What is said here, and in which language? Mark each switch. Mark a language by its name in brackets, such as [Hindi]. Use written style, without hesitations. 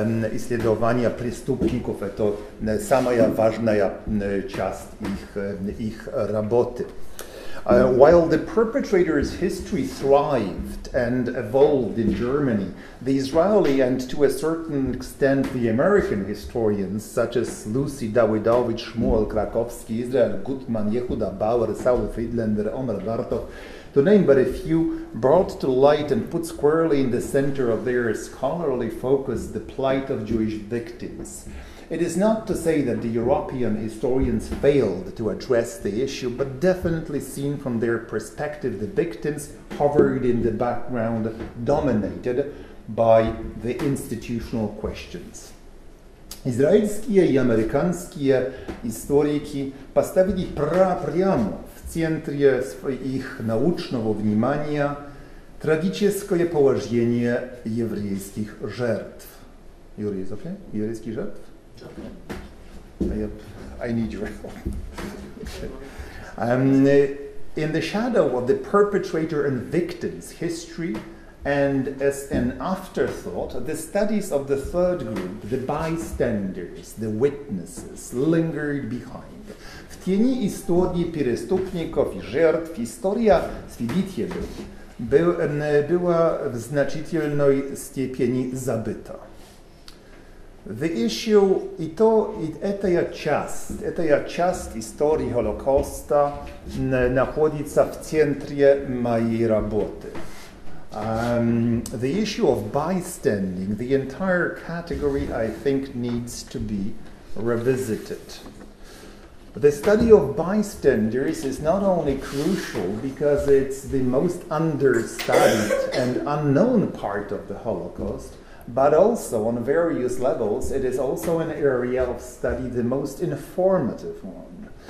[Russian] исследования преступников, это самая важная часть их, их работы. [English] While the perpetrator's history thrived and evolved in Germany, the Israeli and to a certain extent the American historians such as Lucy Dawidowicz, Shmuel Krakowski, Israel Gutmann, Yehuda Bauer, Saul Friedlander, Omer Bartok, to name but a few, brought to light and put squarely in the center of their scholarly focus the plight of Jewish victims. It is not to say that the European historians failed to address the issue, but definitely seen from their perspective, the victims hovered in the background, dominated by the institutional questions. [Russian] Израильские и американские историки поставили прямо в центре своих научного внимания трагическое положение еврейских жертв. Юрий, [English] is okay? [Russian] Еврейских жертв? [English] I need your help. In the shadow of the perpetrator and victim's history, and as an afterthought, the studies of the third group, the bystanders, the witnesses, lingered behind. [Russian] В тени истории преступников и жертв история свидетелей была в значительной степени забыта. [English] The issue, [Russian] и то, и эта часть истории Холокоста находится в центре моей работы. [English] The issue of bystanding, the entire category, I think, needs to be revisited. The study of bystanders is not only crucial because it's the most understudied and unknown part of the Holocaust, but also on various levels, it is also an area of study, the most informative one.